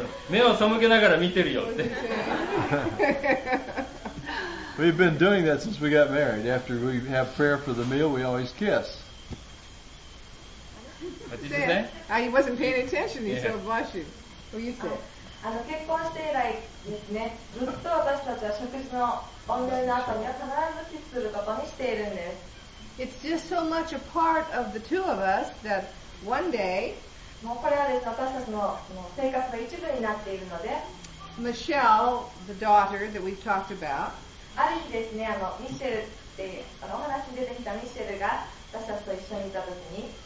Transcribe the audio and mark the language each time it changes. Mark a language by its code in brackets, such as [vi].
[ja] 目を背けながら見てるよって。 [en] We've been doing that since we got married. After we have prayer for the meal, we always kiss. Say, he wasn't paying attention. He's so blushing. What do you say? [ja] 結婚して以来ですね、ずっと私たちは食事のお祈りの後には必ずキスすることにしているんです。 [en] It's just so much a part of the two of us that one day, [ja] もうこれはですね、私たちの生活の一部になっているので、 [en] Michelle, the daughter that we've talked about, [ja] ある日ですね、ミシェルってお話に出てきたミシェルが私たちと一緒にいたときに、